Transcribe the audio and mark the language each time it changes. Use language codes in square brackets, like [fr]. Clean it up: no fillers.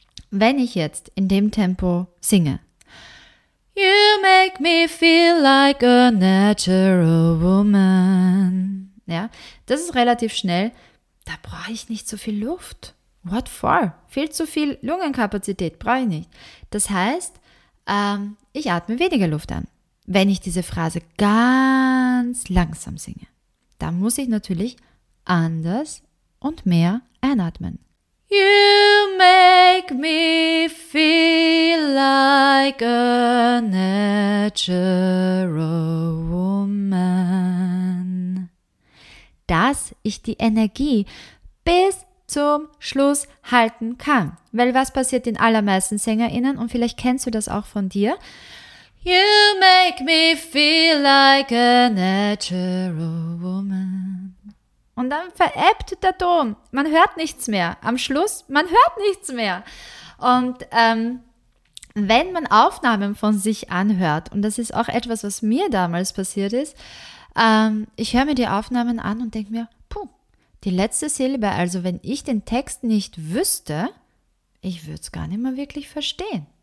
[de] Wenn ich jetzt in dem Tempo singe, [en] You make me feel like a natural woman, [de] ja, das ist relativ schnell, da brauche ich nicht so viel Luft. [en] What for? [de] Viel zu viel Lungenkapazität brauche ich nicht. Das heißt, ich atme weniger Luft an. Wenn ich diese Phrase ganz langsam singe, dann muss ich natürlich anders und mehr einatmen. [en] You make me feel like a natural woman. [de] Dass ich die Energie bis zum Schluss halten kann. Weil was passiert den allermeisten SängerInnen? Und vielleicht kennst du das auch von dir. [en] You make me feel like a natural woman. [de] Und dann veräppt der Ton. Man hört nichts mehr. Am Schluss, man hört nichts mehr. Und wenn man Aufnahmen von sich anhört, und das ist auch etwas, was mir damals passiert ist, ich höre mir die Aufnahmen an und denke mir, puh, die letzte Silbe, also wenn ich den Text nicht wüsste, ich würde es gar nicht mehr wirklich verstehen.